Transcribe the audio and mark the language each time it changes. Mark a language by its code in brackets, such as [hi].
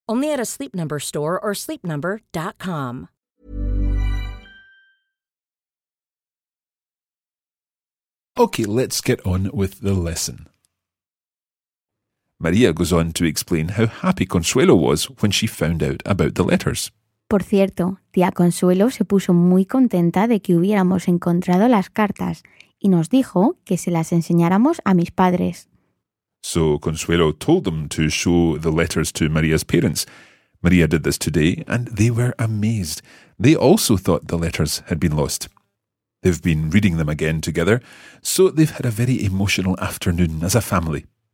[en] Only at a Sleep Number store or sleepnumber.com. Okay, let's get on with the lesson. Maria goes on to explain how happy Consuelo was when she found out about the letters. [es] Por cierto, tía Consuelo se puso muy contenta de que hubiéramos encontrado las cartas y nos dijo que se las enseñáramos a mis padres. [en] So Consuelo told them to show the letters to Maria's parents. Maria did this today and they were amazed. They also thought the letters had been lost. They've been reading them again together, so they've had a very emotional afternoon as a family.